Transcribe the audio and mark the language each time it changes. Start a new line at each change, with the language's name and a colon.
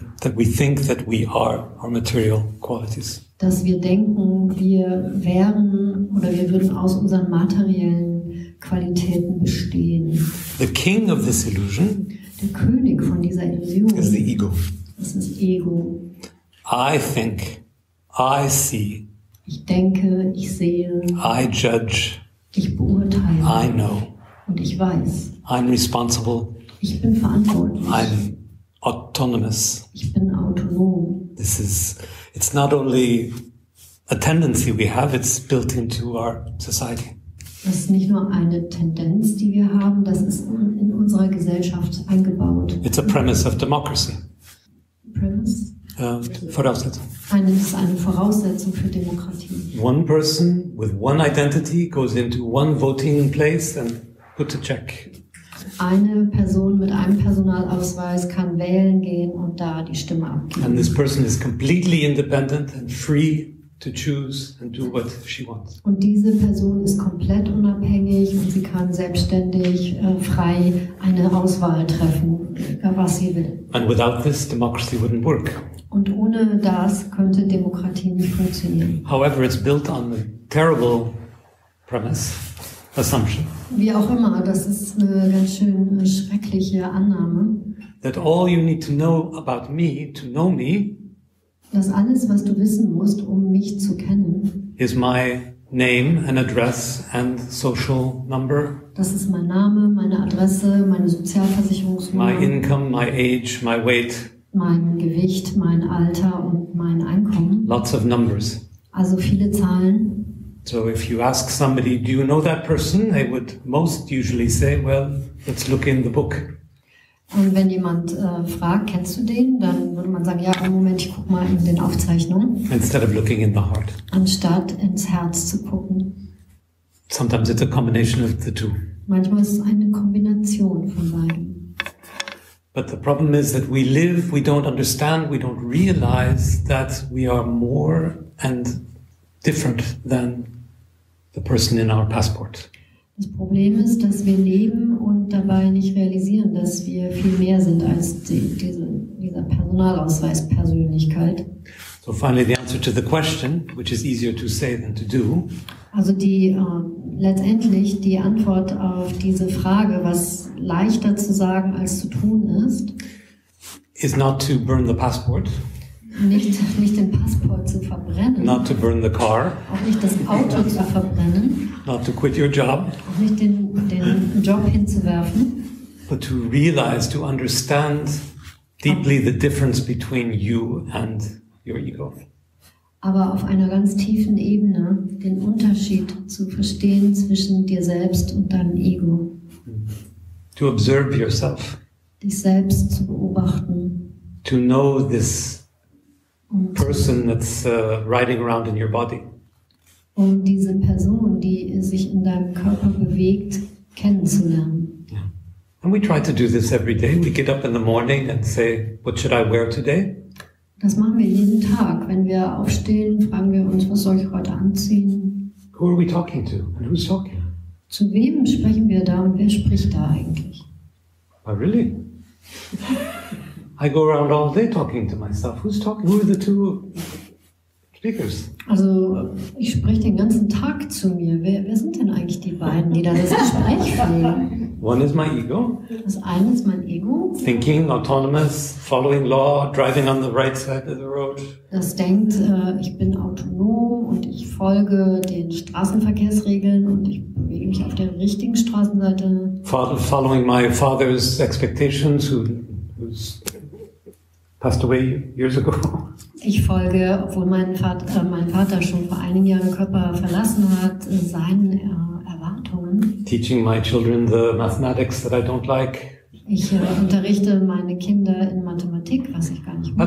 English: That we think that we are our material qualities.
German: Dass wir denken, wir wären oder wir würden aus unseren materiellen Qualitäten bestehen.
English: The king of this illusion,
German: der König von dieser Illusion,
English: is the ego.
German: Das ist Ego.
English: I think, I see.
German: Ich denke, ich sehe.
English: I judge.
German: Ich beurteile.
English: I know.
German: Und ich weiß.
English: I'm responsible.
German: Ich bin verantwortlich.
English: I'm autonomous.
German: Ich bin autonom.
English: This is, it's not only a tendency we have, it's built into our society.
German: Das ist nicht nur eine Tendenz, die wir haben, das ist in unserer Gesellschaft eingebaut.
English: It's a premise of democracy. Premise?
German: Voraussetzung. Das ist eine Voraussetzung für Demokratie.
English: One person with one identity goes into one voting place and puts a check.
German: Eine Person mit einem Personalausweis kann wählen gehen und da die Stimme abgeben.
English: And this person is completely independent and free to choose and do what she wants.
German: Und diese Person ist komplett unabhängig und sie kann selbstständig frei eine Auswahl treffen, was sie will.
English: And without this, democracy wouldn't work.
German: Und ohne das könnte Demokratie nicht funktionieren.
English: However, it's built on the terrible premise, assumption.
German: Wie auch immer, das ist eine ganz schön schreckliche Annahme.
English: That all you need to know about me, to know me,
German: dass alles, was du wissen musst, um mich zu kennen,
English: is my name and address and social number.
German: Das ist mein Name, meine Adresse, meine Sozialversicherungsnummer.
English: My income, my age, my weight.
German: Mein Gewicht, mein Alter und mein Einkommen.
English: Lots of numbers.
German: Also viele Zahlen.
English: So if you ask somebody, do you know that person? They would most usually say, well, let's look in the book.
German: Und wenn jemand fragt, kennst du den? Dann würde man sagen, ja, Moment, ich guck mal in den Aufzeichnungen.
English: Instead of looking in the heart.
German: Anstatt ins Herz zu gucken.
English: Sometimes it's a combination of the two.
German: Manchmal ist es eine Kombination von beiden.
English: But the problem is that we live, we don't understand, we don't realize that we are more and different than the person in our passport.
German: Das Problem ist, dass wir leben und dabei nicht realisieren, dass wir viel mehr sind als dieser Personalausweis-Persönlichkeit.
English: So finally the answer to the question, which is easier to say than to do.
German: Also die letztendlich die Antwort auf diese Frage, was leichter zu sagen als zu tun ist,
English: is not to burn the passport.
German: Nicht den Passport zu verbrennen.
English: Not to burn the car.
German: Auch nicht das Auto zu verbrennen.
English: Not to quit your job.
German: Auch nicht den Job hinzuwerfen.
English: But to realize, to understand deeply the difference between you and your ego.
German: Aber auf einer ganz tiefen Ebene den Unterschied zu verstehen zwischen dir selbst und deinem Ego.
English: To observe yourself.
German: Dich selbst zu beobachten.
English: to know this person that's riding around in your body.
German: Um diese Person, die sich in deinem Körper bewegt, kennenzulernen.
English: Yeah. And we try to do this every day. We get up in the morning and say, what should I wear today?
German: Das machen wir jeden Tag. Wenn wir aufstehen, fragen wir uns, was soll ich heute anziehen?
English: Who are we talking to? And who's talking?
German: Zu wem sprechen wir da und wer spricht da eigentlich?
English: Oh, really? I go around all day talking to myself. Who's talking? Who are the two speakers?
German: Also, ich spreche den ganzen Tag zu mir. Wer sind denn eigentlich die beiden, die da das Gespräch führen?
English: One is my ego.
German: Das eine ist mein Ego.
English: Thinking, autonomous, following law, driving on the right side of the road.
German: Das denkt, ich bin autonom und ich folge den Straßenverkehrsregeln und ich bewege mich auf der richtigen Straßenseite.
English: Following my father's expectations, who's passed away years ago.
German: Ich folge, obwohl mein Vater schon vor einigen Jahren Körper verlassen hat, seinen Erwartungen.
English: Teaching my children the mathematics that I don't like.
German: Ich unterrichte meine Kinder in Mathematik, was ich gar nicht mag.